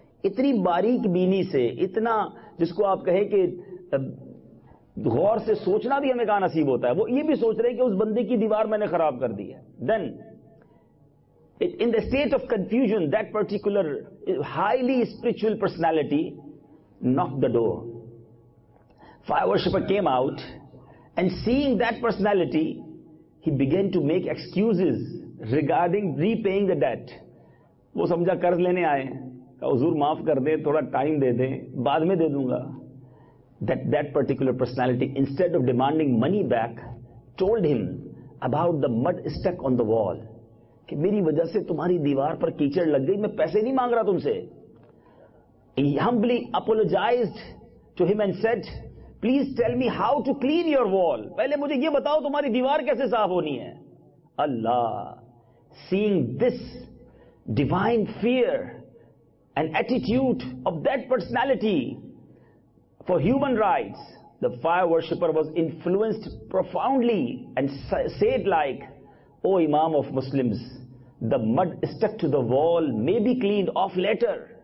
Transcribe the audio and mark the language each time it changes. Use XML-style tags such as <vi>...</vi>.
<ur>Itni barik beeni se, itna jisko aap kahe ki غور سے سوچنا بھی ہمیں کہاں نصیب ہوتا ہے، وہ یہ بھی سوچ رہے ہیں کہ اس بندے کی دیوار میں نے خراب کر دی ہے.</ur> <en>Then in the state of confusion that particular highly spiritual personality knock the door. Fire worshipper came out and seeing that personality he began to make excuses regarding repaying the debt.</en> <ur>وہ سمجھا قرض لینے آئے، کہ حضور معاف کر دیں، تھوڑا ٹائم دے دیں، بعد میں دے دوں گا.</ur> <en>That particular personality, instead of demanding money back, told him about the mud stuck on the wall.</en> <ur>کہ میری وجہ سے تمہاری دیوار پر کیچڑ لگ گئی، میں پیسے نہیں مانگ رہا تم سے.</ur> <en>He humbly apologized to him and said, "Please tell me how to clean your wall."</en> <ur>Pehle mujhe ye batao tumhari deewar kaise saaf honi hai.</ur> <en>Allah, seeing this divine fear and attitude of that personality for human rights, the fire worshipper was influenced profoundly and said like, "O Imam of Muslims, the mud stuck to the wall may be cleaned off later.</en>